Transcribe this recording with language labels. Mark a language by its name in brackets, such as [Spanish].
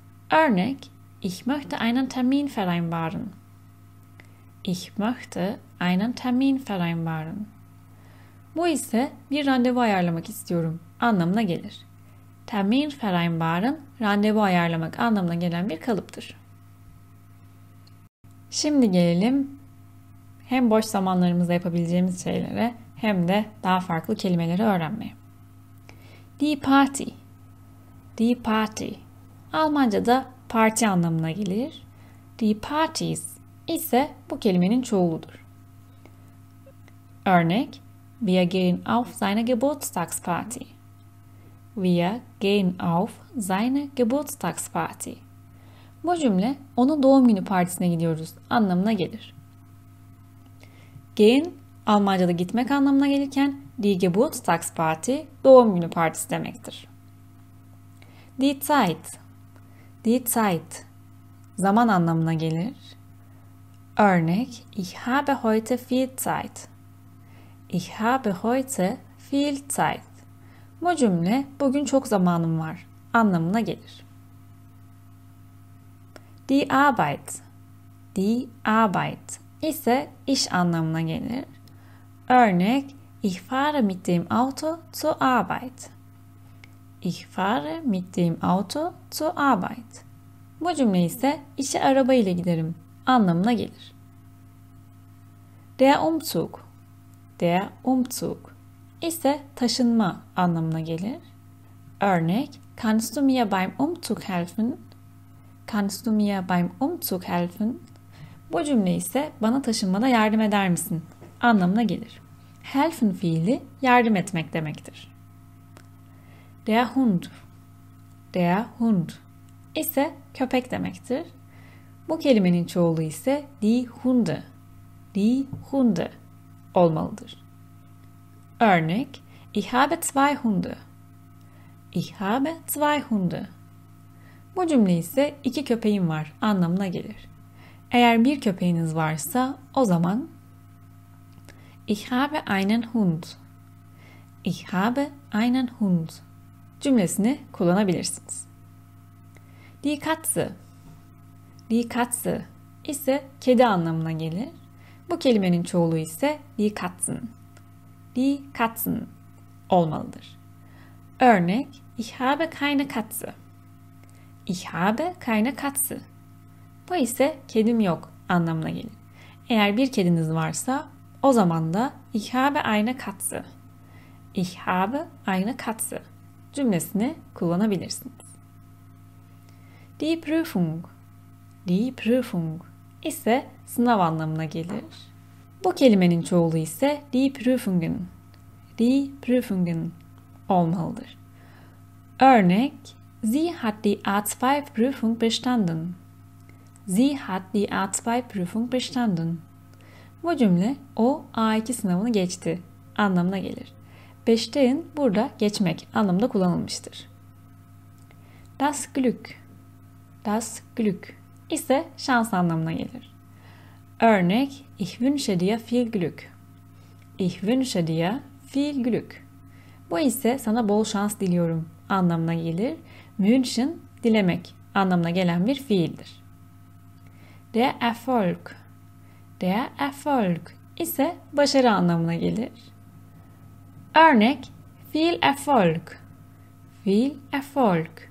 [German] Örnek: Ich möchte einen Termin vereinbaren. Ich möchte einen Termin vereinbaren. [Turkish] Bu ise bir randevu ayarlamak istiyorum anlamına gelir. Termin vereinbaren, randevu ayarlamak anlamına gelen bir kalıptır. Şimdi gelelim hem boş zamanlarımızda yapabileceğimiz şeylere hem de daha farklı kelimeleri öğrenmeye. Die Party. Die Party. Almanca'da parti anlamına gelir. Die Partys ise bu kelimenin çoğuludur. [German] Örnek: Wir gehen auf seine Geburtstagsparty. Wir gehen auf seine Geburtstagsparty. [Turkish] Bu cümle onun doğum günü partisine gidiyoruz anlamına gelir. Gehen Almanca'da gitmek anlamına gelirken die Geburtstagsparty doğum günü partisi demektir. Die Zeit. Die Zeit zaman anlamına gelir. [German] Örnek: Ich habe heute viel Zeit. Ich habe heute viel Zeit. [Turkish] Bu cümle bugün çok zamanım var anlamına gelir. Die Arbeit. Die Arbeit ise iş anlamına gelir. [German] Örnek: Ich fahre mit dem Auto zur Arbeit. Ich fahre mit dem Auto zur Arbeit. [Turkish] Bu cümle ise işe araba ile giderim anlamına gelir. Der Umzug. Der Umzug ise taşınma anlamına gelir. [German] Örnek: Kannst du mir beim Umzug helfen? Kannst du mir beim Umzug helfen? [Turkish] Bu cümle ise bana taşınmada yardım eder misin anlamına gelir. Helfen fiili yardım etmek demektir. Der Hund. Der Hund ise köpek demektir. Bu kelimenin çoğulu ise die Hunde. Die Hunde olmalıdır. [German] Örnek: Ich habe zwei Hunde. Ich habe zwei Hunde. [Turkish] Bu cümle ise iki köpeğim var anlamına gelir. Eğer bir köpeğiniz varsa o zaman [German] Ich habe einen Hund. Ich habe einen Hund. [Turkish] Cümlesini kullanabilirsiniz. [German] Die Katze. [Turkish] Die Katze ise kedi anlamına gelir. Bu kelimenin çoğulu ise die Katzen. Die Katzen olmalıdır. [German] Örnek: Ich habe keine Katze. Ich habe keine Katze. [Turkish] Bu ise kedim yok anlamına gelir. Eğer bir kediniz varsa o zaman da [German] Ich habe eine Katze. Ich habe eine Katze [Turkish] cümlesini kullanabilirsiniz. [German] Die Prüfung. [Turkish] Die Prüfung ise sınav anlamına gelir. Bu kelimenin çoğulu ise die Prüfungen. Die Prüfungen olmalıdır. [German] Örnek: Sie hat die A2 Prüfung bestanden. Sie hat die A2 Prüfung bestanden. [Turkish] Bu cümle o A2 sınavını geçti anlamına gelir. Bestehen burada geçmek anlamında kullanılmıştır. Das Glück. Das Glück ise şans anlamına gelir. [German] Örnek: Ich wünsche dir viel Glück. Ich wünsche dir viel Glück. [Turkish] Bu ise sana bol şans diliyorum anlamına gelir. Wünschen dilemek anlamına gelen bir fiildir. Der Erfolg. Der Erfolg ise başarı anlamına gelir. [German] Örnek: Viel Erfolg. Viel Erfolg.